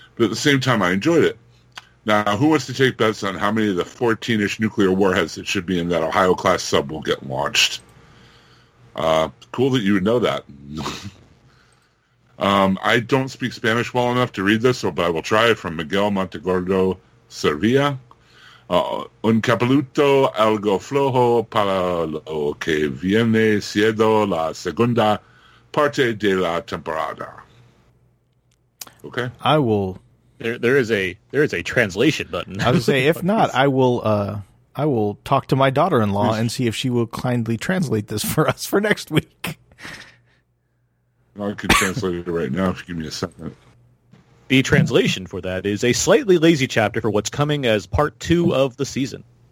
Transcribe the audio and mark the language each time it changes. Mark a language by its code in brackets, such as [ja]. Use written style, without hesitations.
[en] But at the same time, I enjoyed it. Now, who wants to take bets on how many of the 14-ish nuclear warheads that should be in that Ohio-class sub will get launched? Cool that you would know that. I don't speak Spanish well enough to read this, but I will try it from Miguel Montegordo Servilla. [es] Un capuluto algo flojo para lo que viene siendo la segunda parte de la temporada. [en] Okay. I will... There is a translation button. I was going to say, if not, I will talk to my daughter-in-law and see if she will kindly translate this for us for next week. I can translate it right now if you give me a second. The translation for that is a slightly lazy chapter for what's coming as part 2 of the season.